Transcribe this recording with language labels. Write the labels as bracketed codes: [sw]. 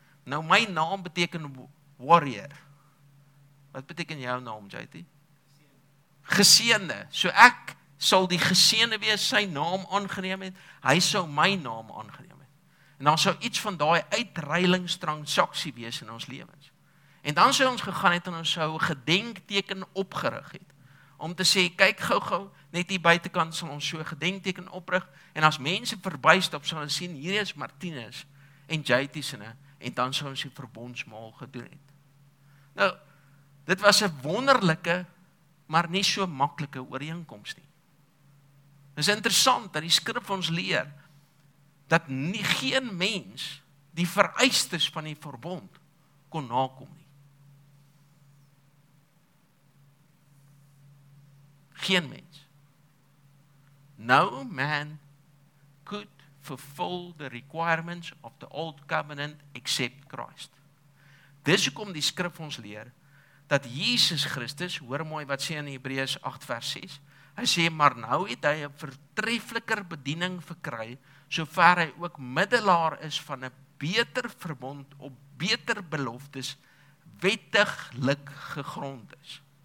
[af] Nou, my naam beteken warrior. Wat beteken jou naam, JT? geseende. So ek sal die geseende wees, sy naam aangeneem het, hy sal my naam aangeneem het. En dan sal iets van die uitreilingstransaksie wees in ons levens. En dan sal ons gegaan het en ons sal gedenkteken opgerig het, om te sê, kyk gauw, net die buitenkant sal ons so gedenkteken oprig, en as mense verbystap sal ons sien, hier is Marthinus en Jaitisene, en dan sal ons die verbondsmaal gedoen het. Nou, dit was 'n wonderlike, maar nie so maklike ooreenkomst nie. Dit is interessant dat die skrif ons leer, dat nie, geen mens die vereistes van die verbond kon nakom nie. Geen mens. [en] No man could fulfill the requirements of the old covenant except Christ. [af] Dis hoekom die skrif ons leer, dat Jesus Christus, hoor mooi wat sê in Hebreërs 8 vers 6, hy sê, maar nou het hy 'n vertrefliker bediening verkry, sover hy ook middelaar is van 'n beter verbond op beter beloftes, wettiglik gegrond is.